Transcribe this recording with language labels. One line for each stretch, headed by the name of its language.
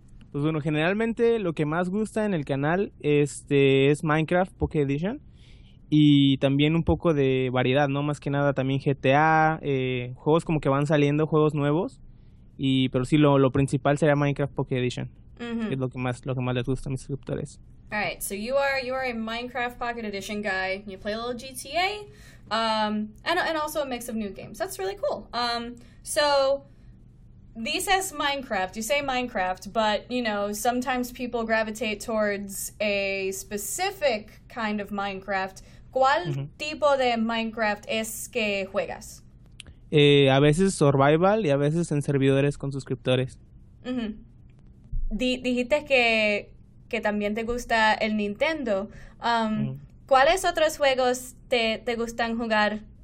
Spanish: Pues bueno, generalmente lo que más gusta en el canal es Minecraft Pocket Edition. Y también un poco de variedad, ¿no? Más que nada también GTA, juegos como que van saliendo, juegos nuevos. Pero sí, lo principal sería Minecraft Pocket Edition. Es lo que más les gusta a mis suscriptores.
English: All right, so you are a Minecraft Pocket Edition guy. You play a little GTA. And also a mix of new games. That's really cool.
Spanish: So dices Minecraft,
English: you say Minecraft, but, you know, sometimes people gravitate towards a specific kind of Minecraft.
Spanish: ¿Cuál tipo de Minecraft es que juegas? A veces survival y a veces en servidores con suscriptores. Dijiste que también te gusta el Nintendo. ¿Cuáles otros juegos te gustan jugar?